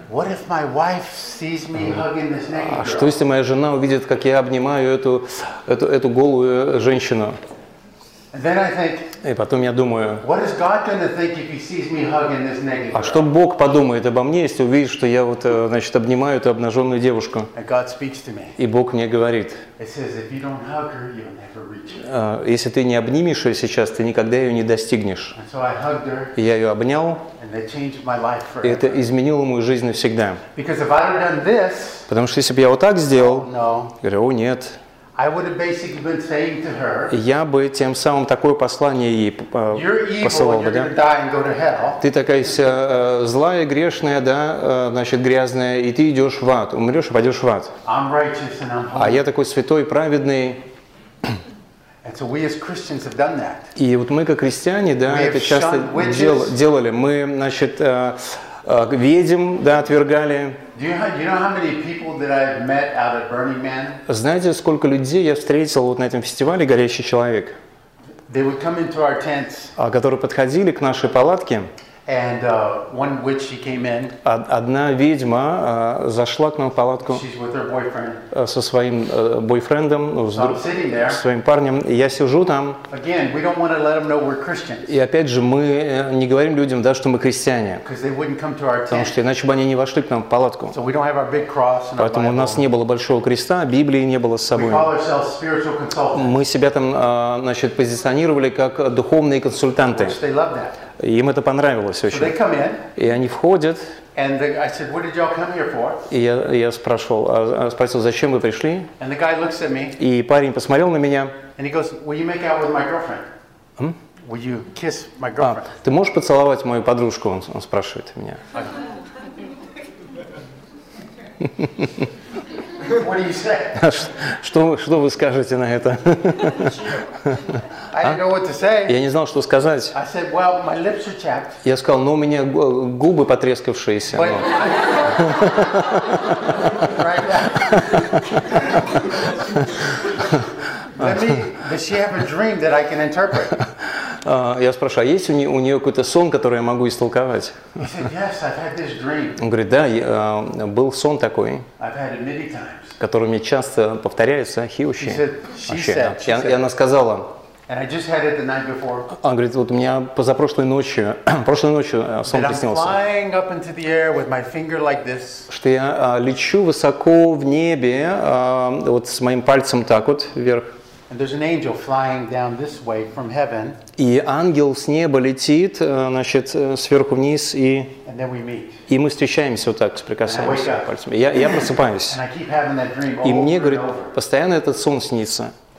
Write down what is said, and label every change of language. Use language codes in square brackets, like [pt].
[en] What if my wife sees me hugging this naked girl? [ru] А что если моя жена увидит, как я обнимаю эту голую женщину? [en] And then I think. [ru] И потом я думаю. [en] What is God going to think if he sees me hugging this naked girl? [ru] А что Бог подумает обо мне, если увидит, что я обнимаю эту обнаженную девушку? [en] And God speaks to me. [ru] И Бог мне говорит. [en] It says, if you don't hug her, you'll never reach her. [ru] Если ты не обнимешь ее сейчас, ты никогда ее не достигнешь. [en] And so I hugged her. [ru] Я ее обнял. [en] And that changed my life forever. [ru] И это изменило мою жизнь навсегда. [en] Because if I'd have done this. [ru] Потому что если бы я вот так сделал. [en] No. [ru] Говорю, о нет. [en] I would have basically been saying to her. [ru] Я бы тем самым такое послание ей посылал бы, да? Ты такая вся злая, грешная, да, значит, грязная, и ты идешь в ад. Умрешь и пойдешь в ад. [en] I'm righteous and I'm holy. [ru] А я такой святой, праведный. [en] And so we as Christians have done that. [ru] И вот мы как христиане, да, это часто делали. Мы, значит, ведьм, да, отвергали. [en] Do you know how many people that I've met out at Burning Man? [ru] Знаете, сколько людей я встретил вот на этом фестивале «Горящий человек»? [en] They would come into our tents. [ru] Которые подходили к нашей палатке. [en] And one witch, she came in. [ru] Одна ведьма зашла к нам в палатку. [en] She's with her boyfriend. [ru] Со своим бойфрендом, со своим парнем. И я сижу там. [en] Again, we don't want to let them know we're Christians. [ru] И опять же, мы не говорим людям, да, что мы христиане. [en] Because they wouldn't come to our tent. [ru] Потому что иначе бы они не вошли к нам в палатку. [en] So we don't have our big cross. [ru] Поэтому у нас не было большого креста, Библии не было с собой. [en] We call ourselves spiritual consultants. [ru] Мы себя там, позиционировали как духовные консультанты. [en] Which they love that. [ru] Им это понравилось очень. [en] So they come in, [ru] и они входят. [en] And the, I said, what did y'all come here for? [ru] И я спросил, зачем вы пришли? [en] And the guy looks at me, [ru] и парень посмотрел на меня. [en] And he goes, will you make out with my girlfriend? Hmm? Will you kiss my girlfriend? [ru] А, ты можешь поцеловать мою подружку? Он спрашивает меня. [en] What do you say? [ru] Что вы скажете на это? [en] I didn't know what to say. [ru] Я не знал, что сказать. [en] I said, well, my lips are chapped. [ru] Я сказал, у меня губы потрескавшиеся. [en] But... Does she have a dream that I can interpret? [ru] Я спрашиваю, а есть у нее какой-то сон, который я могу истолковать? [en] He said, yes, I've had this dream. [ru] Он говорит, да, был сон такой, который мне часто повторяется, хиуще. И она сказала... [en] And I just had it the night before. [ru] Он говорит, вот у меня позапрошлой ночью, прошлой ночью сон приснился. Like что я лечу высоко в небе, вот с моим пальцем так вот вверх. [en] And there's an angel flying down this way from heaven. [ru] И ангел с неба летит, значит, сверху вниз, и... [en] And then we meet. [ru] И мы встречаемся вот так, соприкасаемся пальцами. Я просыпаюсь. [en] And I keep having that dream [ru] и мне, говорит, постоянно этот сон снится.